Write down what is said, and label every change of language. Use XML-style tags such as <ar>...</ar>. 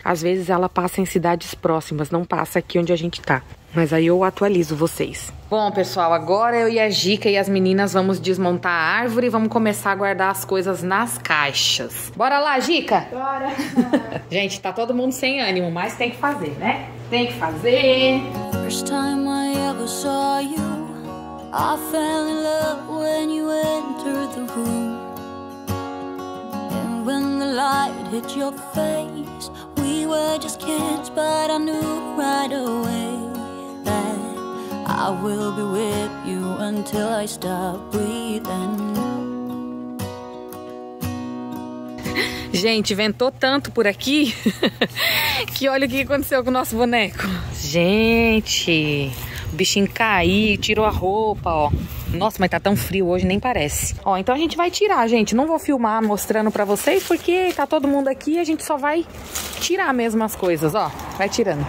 <pt>Às vezes ela passa em cidades próximas. Não passa aqui onde a gente tá. Mas aí eu atualizo vocês. Bom, pessoal. Agora eu e a Gica e as meninas vamos desmontar a árvore. E vamos começar a guardar as coisas nas caixas. Bora lá, Gica? Bora. Gente, tá todo mundo sem ânimo. Mas tem que fazer, né? Tem que fazer.</pt> <en>First time I ever saw you. I fell in love when you entered the room. And when the light hit your face, we were just kids, but I knew right away that I will be with you until I stop breathing.</en> <pt>Gente, ventou tanto por aqui que olha o que aconteceu com o nosso boneco. Gente, o bichinho caiu, tirou a roupa, ó. Nossa, mas tá tão frio hoje, nem parece. Ó, então a gente vai tirar, gente. Não vou filmar mostrando pra vocês, porque tá todo mundo aqui e a gente só vai tirar mesmo as coisas, ó. Vai tirando.</pt>